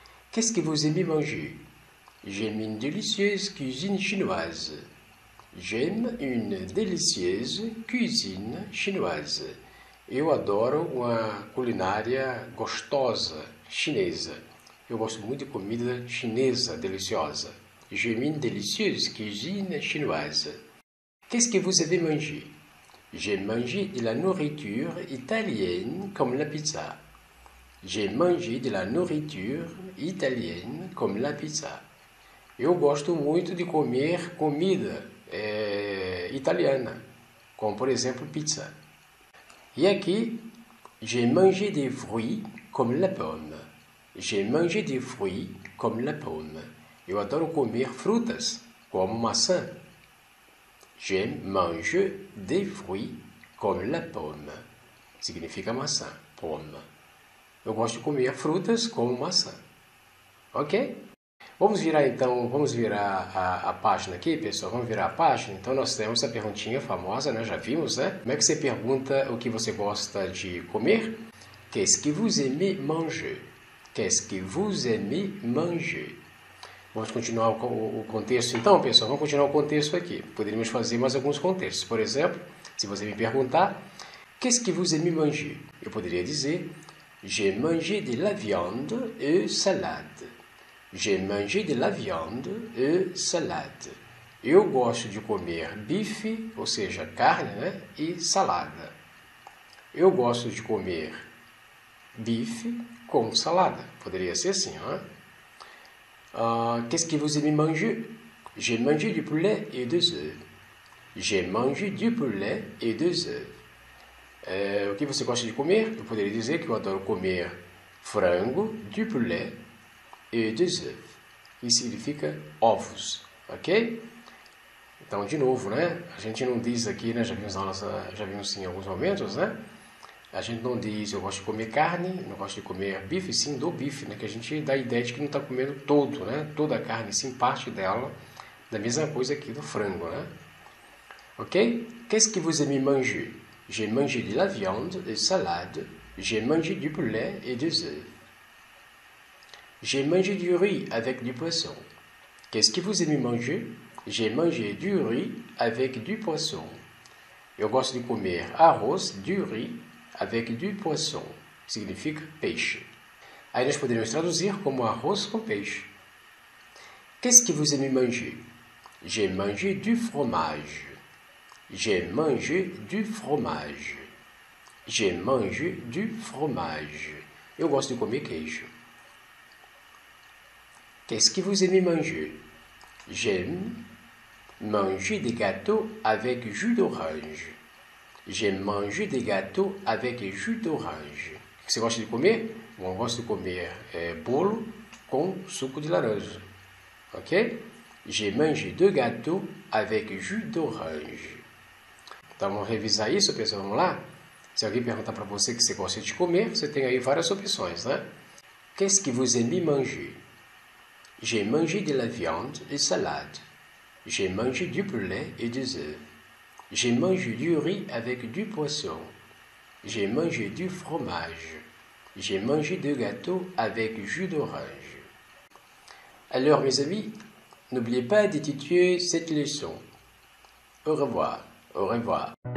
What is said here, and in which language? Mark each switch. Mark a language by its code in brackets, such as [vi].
[fr] Qu'est-ce que vous aimez manger? J'aime une délicieuse cuisine chinoise. J'aime une délicieuse cuisine chinoise. [pt] Eu adoro uma culinária gostosa chinesa. Eu gosto muito de comida chinesa deliciosa. [fr] J'aime une délicieuse cuisine chinoise. Qu'est-ce que vous avez mangé? J'aime manger de la nourriture italienne comme la pizza. J'aime manger de la nourriture italienne comme la pizza. [pt] Eu gosto muito de comer comida italiana, como por exemplo pizza. E aqui, [fr] j'ai mangé des fruits comme la pomme. J'ai mangé des fruits comme la pomme. [pt] Eu adoro comer frutas, como maçã. [fr] J'aime manger des fruits comme la pomme. [pt] Significa maçã, pomme. Eu gosto de comer frutas como maçã. Ok? Vamos virar então, vamos virar a página aqui, pessoal. Vamos virar a página. Então nós temos a perguntinha famosa, né? Já vimos, né? Como é que você pergunta o que você gosta de comer? [fr] Qu'est-ce que vous aimez manger? Qu'est-ce que vous aimez manger? [pt] Vamos continuar o contexto então, pessoal. Vamos continuar o contexto aqui. Poderíamos fazer mais alguns contextos. Por exemplo, se você me perguntar, [fr] qu'est-ce que vous aimez manger? [pt] Eu poderia dizer, [fr] j'ai mangé de la viande et salade. J'ai mangé de la viande et salade. [pt] Eu gosto de comer bife, ou seja, carne, né? E salada. Eu gosto de comer bife com salada. Poderia ser assim, né? [fr] Qu'est-ce que vous aimez manger? J'ai mangé du poulet et des œufs. J'ai mangé du poulet et des œufs. [pt] O que você gosta de comer? Eu poderia dizer que eu adoro comer frango, [fr] du poulet. [pt] E des œufs, que significa ovos, ok? Então, de novo, né? A gente não diz aqui, né? Já vimos em alguns momentos, né? A gente não diz eu gosto de comer carne, não gosto de comer bife, sim, do bife, né? Que a gente dá a ideia de que não está comendo todo, né? Toda a carne, sim, parte dela, da mesma coisa aqui do frango, né? Ok? [fr] Qu'est-ce que vous aimez manger? J'ai mangé de la viande, de salade, j'ai mangé du poulet et des œufs. J'ai mangé du riz avec du poisson. Qu'est-ce que vous aimez manger? J'ai mangé du riz avec du poisson. [pt] Eu gosto de comer arroz, [fr] du riz, avec du poisson. [pt] Significa peixe. Aí nós poderíamos traduzir como arroz com peixe. [fr] Qu'est-ce que vous aimez manger? J'ai mangé du fromage. J'ai mangé du fromage. J'ai mangé du fromage. [pt] Eu gosto de comer queijo. [fr] Qu'est-ce que vous aimez manger? J'aime manger des gâteaux avec jus d'orange. J'aime manger des gâteaux avec jus d'orange. [pt] Você gosta de comer? Bom, eu gosto de comer bolo com suco de laranja. Ok? [fr] J'ai mangé deux gâteaux avec jus d'orange. [pt] Então, vamos revisar isso, pessoal. Vamos lá? Se alguém perguntar para você o que você gosta de comer, você tem aí várias opções, né? [fr] Qu'est-ce que vous aimez manger? J'ai mangé de la viande et salade. J'ai mangé du poulet et des œufs. J'ai mangé du riz avec du poisson. J'ai mangé du fromage. J'ai mangé des gâteaux avec jus d'orange. Alors, mes amis, n'oubliez pas d'étudier cette leçon. Au revoir, au revoir.